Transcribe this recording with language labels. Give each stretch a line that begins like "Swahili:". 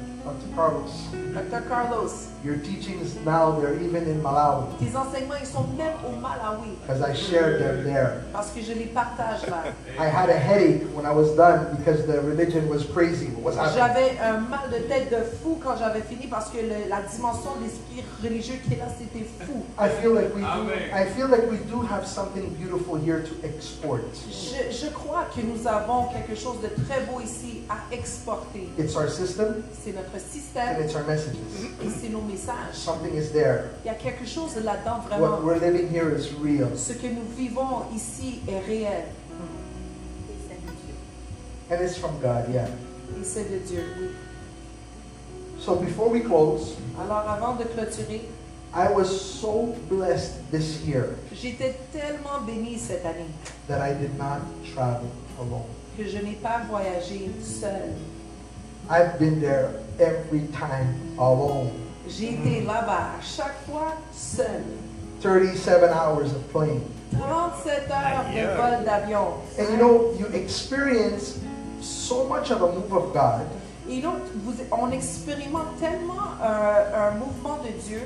English: Dr. Carlos, your teachings now, they're even in Malawi.
French: Tes enseignements, ils sont même au Malawi.
English: Because I shared them there.
French: Parce que je les partage là.
English: I had a headache when I was done because the religion was crazy. What was happening?
French: J'avais un mal de tête de fou quand j'avais fini parce que la dimension de l'esprit religieux qui est là, c'était fou.
English: I feel like we do have something beautiful here to export.
French: Je crois que nous avons quelque chose de très beau ici à exporter.
English: It's our system.
French: C'est notre système.
English: And it's our messages.
French: Et c'est nos messages.
English: Something is there.
French: Il y a quelque chose là-dedans vraiment.
English: What we're living here is real.
French: Ce que nous vivons ici est réel.
English: And it's from God, yeah.
French: Et c'est de Dieu, oui.
English: So before we close,
French: alors avant de clôturer,
English: I was so blessed this year.
French: J'étais tellement béni cette année.
English: That I did not travel alone.
French: Que je n'ai pas voyagé seul.
English: I've been there every time alone.
French: J'étais là-bas à chaque fois seul.
English: 37 hours of plane.
French: 37 heures de vol d'avion.
English: And you know, you experience so much of a move of God.
French: Et donc, on expérimente tellement un mouvement de Dieu.